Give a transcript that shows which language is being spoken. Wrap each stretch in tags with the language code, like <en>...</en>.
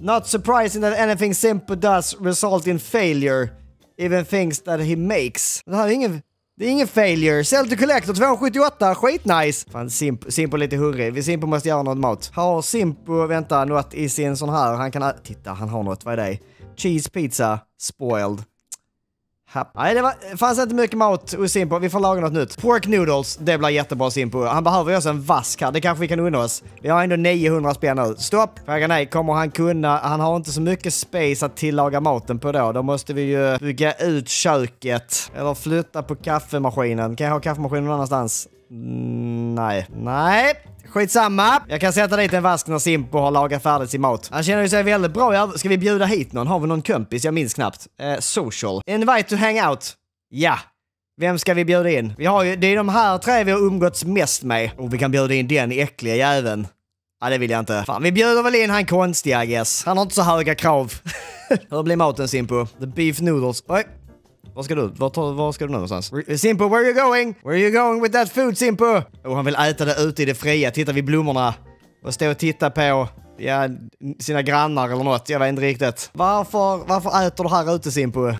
<en>Not surprising that anything Simpu does result in failure. Even things that he makes.</en> <sv>Det här är ingen... Det är ingen failure.</sv> <en>Sell to collector 278.</en> <sv>Skit nice. Fan, Simpu är lite hungrig. Simpu måste göra något mat. Har Simpu, vänta, något i sin sån här. Han kan... Titta, han har något. Vad är det?</sv> <en>Cheese pizza. Spoiled.</en> <sv>Nej, det fanns inte mycket mat hos Simpu. Vi får laga något nytt. Pork noodles. Det blir jättebra, Simpu. Han behöver ju också en vask här. Det kanske vi kan unna oss. Vi har ändå 900 spänn nu. Stopp. Fråga nej. Kommer han kunna... Han har inte så mycket space att tillaga maten på då. Då måste vi ju bygga ut köket. Eller flytta på kaffemaskinen. Kan jag ha kaffemaskinen någon annanstans? Nej. Nej. Skitsamma. Jag kan sätta dit en vask när Simpu har lagat färdigt sin mat. Han känner ju sig väldigt bra. Ska vi bjuda hit någon? Har vi någon kompis? Jag minns knappt. Social.</sv> <en>Invite to hang out.</en> <sv>Ja. Vem ska vi bjuda in? Vi har ju... Det är de här tre vi har umgåtts mest med. Och vi kan bjuda in den äckliga jäveln. Ja, det vill jag inte. Fan, vi bjuder väl in han konstiga,</sv> <en>I guess.</en> <sv>Han har inte så höga krav. Hur blir maten, Simpu? The beef noodles. Oj. Vad ska du? Vad ska du nu någonstans?</sv> <en>Simpu, where are you going? Where are you going with that food, Simpu?</en> <sv>Oh, han vill äta det ute i det fria. Titta vid blommorna. Och stå och titta på sina grannar eller något. Jag vet inte riktigt. Varför äter du här ute, Simpu?</sv>